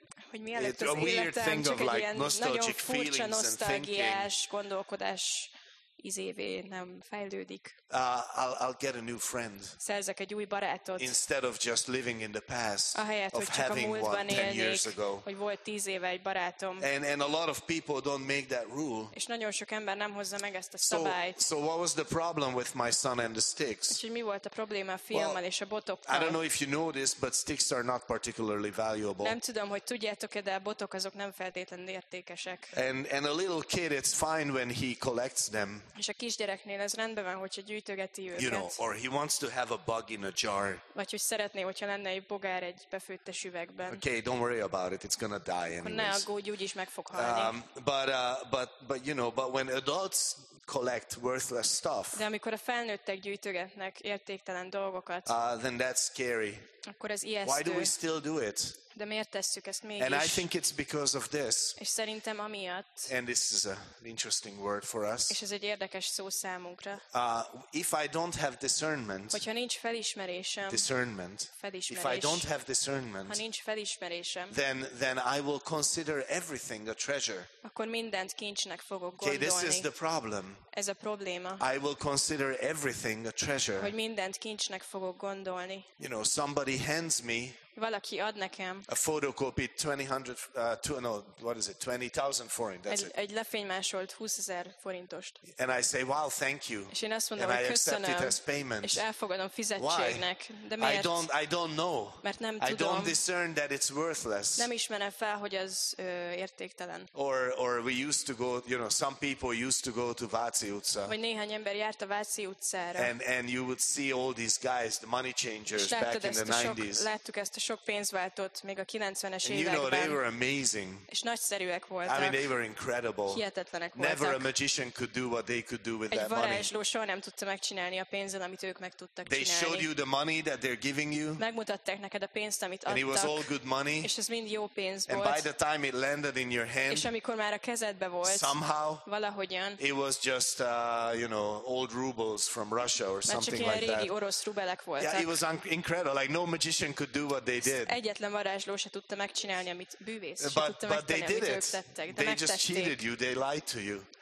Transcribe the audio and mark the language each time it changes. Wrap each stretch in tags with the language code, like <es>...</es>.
<hu>Hogy mielőtt az életem csak egy ilyen nagyon furcsa, nosztalgiás gondolkodás izévé nem fejlődik.</hu> <en>I'll get a new friend.</en> <hu>Szerzek egy új barátot.</hu> <en>Instead of just living in the past,</en> <hu>ahelyett,</hu> <en>of having one 10 years ago.</en> <hu>Hogy volt 10 éve egy barátom.</hu> <en>And a lot of people don't make that rule.</en> <hu>És nagyon sok ember nem hozza meg ezt a szabályt.</hu> <en>So what was the problem with my son and the sticks?</en> <hu>És mi volt a probléma a fiammal és a botokkal?</hu> <en>I don't know if you know this, but sticks are not particularly valuable.</en> <hu>Nem tudom, hogy tudjátok-e, de a botok azok nem feltétlenül értékesek.</hu> <en>And a little kid, it's fine when he collects them.</en> <hu>És a kisgyereknél ez rendben van, hogyha gyűjtögeti őket.</hu> <en>You know, or he wants to have a bug in a jar.</en> <hu>Vagy hogy szeretné, hogyha lenne egy bogár egy befőttes üvegben.</hu> <en>Okay, don't worry about it. It's gonna die anyways.</en> <hu>Ne aggódj, úgyis meg fog halni.</hu> <en>But when adults collect worthless stuff.</en> <hu>De amikor a felnőttek gyűjtögetnek értéktelen dolgokat.</hu> <en>Then that's scary.</en> <hu>Akkor ez ijesztő.</hu> <en>Why do we still do it?</en> <hu>De miért tesszük ezt mégis?</hu> <en>And I think it's because of this.</en> <hu>És szerintem amiatt.</hu> <en>And this is an interesting word for us.</en> <hu>És ez egy érdekes szó számunkra.</hu> <en>If I don't have discernment.</en> <hu>Hogyha nincs felismerésem.</hu> <en>Discernment.</en> <hu>Felismerés.</hu> <en>If I don't have discernment.</en> <hu>Ha nincs felismerésem.</hu> <en>Then I will consider everything a treasure.</en> <hu>Akkor mindent kincsnek fogok gondolni.</hu> <en>Okay, this is the problem.</en> <hu>Ez a probléma.</hu> <en>I will consider everything a treasure.</en> <hu>Hogy mindent kincsnek fogok gondolni.</hu> <en>You know, somebody hands me.</en> <hu>Valaki ad nekem.</hu> <en>A photocopy 20,000 forint. That's</en> <hu>egy lefénymásolt 20,000 forintost.</hu> <en>And I say, wow, thank you.</en> <hu>És én azt mondom, köszönöm.</hu> <en>And I accept it as payment.</en> <hu>És elfogadom fizetségnek. De miért?</hu> <en>I don't know.</en> <hu>Mert nem tudom.</hu> <en>I don't discern that it's worthless.</en> <hu>Nem ismerem fel, hogy az értéktelen.</hu> <en>Or we used to go, you know, some people used to go to Váci utca.</en> <hu>Vagy néhány ember járt a Váci utcára.</hu> <en>And you would see all these guys, the money changers back in the 90s.</en> <hu>Sok, láttuk ezt a sok pénzváltót még a 90-es években.</hu> <en>You know, they were amazing.</en> <hu>És nagyszerűek voltak.</hu> <en>I mean, they were incredible.</en> <hu>Hihetetlenek voltak.</hu> <en>Never a magician could do what they could do with</en> <hu>egy</hu> <en>that money.</en> <hu>Egy varázsló soha nem tudta megcsinálni a pénzzel, amit ők meg tudtak</hu> <en>they</en> <hu>csinálni.</hu> <en>Showed you the money that they're giving you.</en> <hu>Megmutatták neked a pénzt, amit adtak.</hu> <en>And it was all good money.</en> <hu>És ez mind jó pénz volt.</hu> <en>And by the time it landed in your hand.</en> <hu>És amikor már a kezedbe volt.</hu> <en>Somehow.</en> <hu>Valahogyan.</hu> <en>It was just old rubles from Russia or something like that.</en> <hu>Régi orosz rubelek voltak.</hu> <en>Yeah, it was incredible. Like no magician could do what they did.</en> <hu>Egyetlen varázsló se tudta megcsinálni, amit bűvész se</hu> <en>but,</en> <hu>tudta megtenni, amit ők tettek.</hu> <en>They just cheated you, they lied to you.</en>